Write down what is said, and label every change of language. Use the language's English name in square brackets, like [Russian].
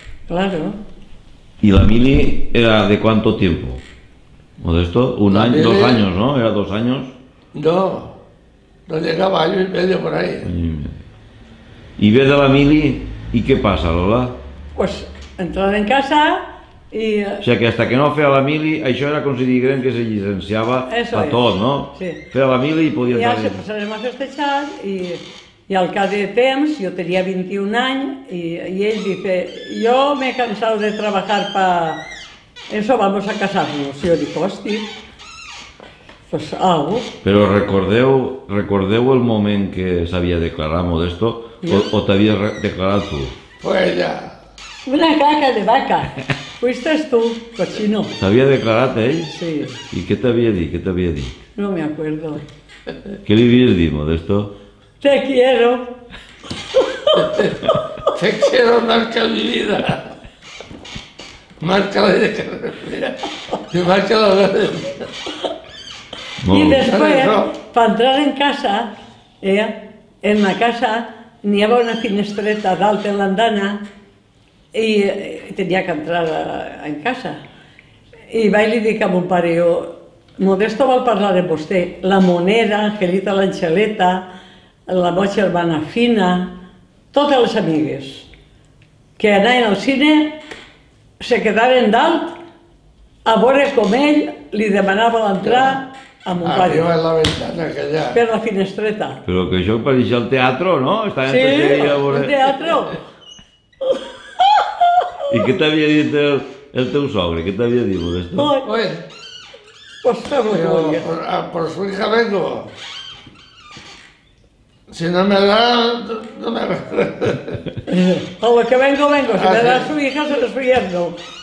[Spanish] Claro. ¿Y la mili era de cuánto tiempo? ¿O de esto? ¿Un año? ¿Dos años, no? ¿Era 2 años? No. No llegaba año y medio por ahí. Y ve de la mili, ¿y qué pasa, Lola? [Catalan] Pues... Entrava en casa i... O sigui, que fins que no feia la mili, això era com si diguem que se llicenciava a tot, no? Sí. Feia la mili i podia entrar... I ja se passàvem a festejar i al cap de temps, jo tenia 21 anys, i ell dice, jo m'he cansat de treballar pa... [Spanish] Eso, vamos a casarnos. [Catalan] Jo dic, hosti, pues au. Però recordeu el moment que s'havia declarat Modesto o t'havia declarat tu? [Spanish] Fue ella. Una caca de vaca. Fuistes tu, cochino. [Catalan] T'havia declarat ell? Sí. I què t'havia dit, què t'havia dit? [Spanish] No me acuerdo. [Catalan] Què li havies dit, Modesto? [Spanish] Te quiero. Te quiero más que mi vida. Más que la vida que respira. Y más que la vida. [Catalan] I després, per entrar en casa, en la casa, n'hi havia una finestreta dalt en l'andana, i tenia que entrar en casa. I vaig li dir a mon pare, Modesto vol parlar amb vostè, la Monera, Angelita l'Angeleta, la meva germana Fina, totes les amigues que anaven al cine, se quedaren dalt a veure com ell li demanava l'entrar a mon pare. [Spanish] Arriba en la ventana aquella. [Catalan] Per la finestreta. Però que això pareixia el teatre, no? Sí, el teatre. I què t'havia dit el teu sogre? Què t'havia dit, Modesto? [Spanish] Oi, pues, per su hija vengo. Si no me da, no me da. A lo que vengo, vengo. Si me da su hija, se lo estoy yendo.